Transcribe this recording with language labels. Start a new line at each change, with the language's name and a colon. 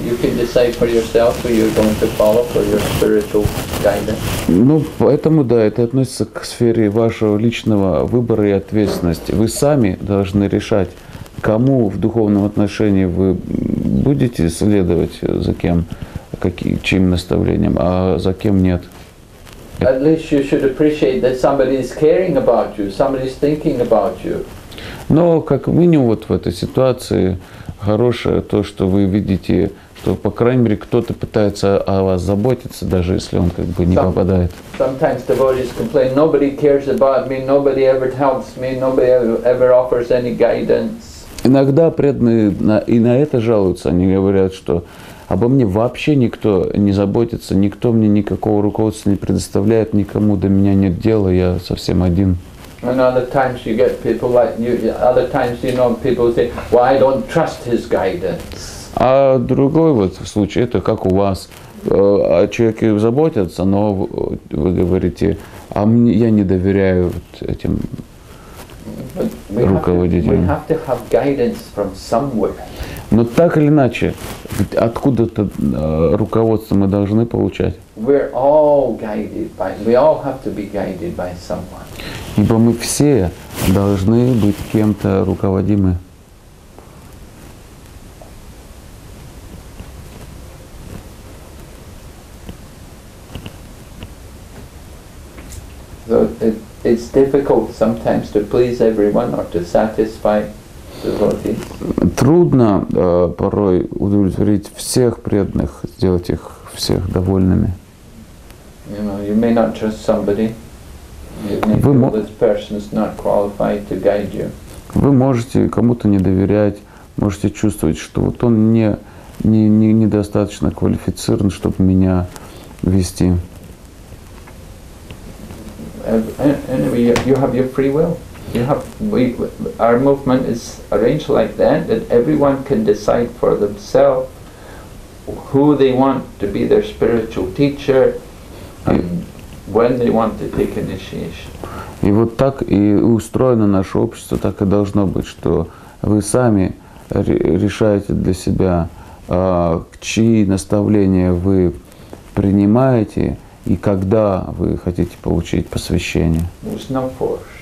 English: You can decide for yourself who you're going to follow for your spiritual guidance.
Russian: Ну, поэтому да, это относится к сфере вашего личного выбора и ответственности. Вы сами должны решать, кому в духовном отношении вы будете следовать, за кем, каким, чьим наставлением, а за кем нет.
English: At least you should appreciate that somebody is caring about you, somebody is thinking about you.
Russian: Но как минимум вот в этой ситуации хорошее то, что вы видите, что по крайней мере кто-то пытается о вас заботиться, даже если он как бы не попадает.
English: Sometimes devotees complain, nobody cares about me, nobody ever helps me, nobody ever offers any guidance.
Russian: Иногда преданные и на это жалуются, они говорят, что обо мне вообще никто не заботится, никто мне никакого руководства не предоставляет, никому до меня нет дела, я совсем один.
English: And other times you get people like you, other times you know people say, well, I don't trust his guidance.
Russian: А другой вот случай, это как у вас, о человеке заботятся, но вы говорите, а мне, я не доверяю вот этим руководителям.
English: We have to have guidance from somewhere.
Russian: Но так или иначе, откуда-то руководство мы должны получать.
English: We're all guided by, we all have to be guided by someone.
Russian: Ибо мы все должны быть кем-то руководимы.
English: So it's difficult sometimes to please everyone or to satisfy.
Russian: Трудно порой удовлетворить всех преданных, сделать их всех довольными.
English: You know, you may not trust somebody. You may feel this person is not qualified to guide you.
Russian: Вы можете кому-то не доверять, можете чувствовать, что вот он недостаточно квалифицирован, чтобы меня вести.
English: Anyway, you have your free will. You have our movement is arranged like that, that everyone can decide for themselves who they want to be their spiritual teacher and when they want to take initiation.
Russian: И вот так и устроено наше общество, так и должно быть, что вы сами решаете для себя, чьи наставления вы принимаете и когда вы хотите получить посвящение.
English: There's no force.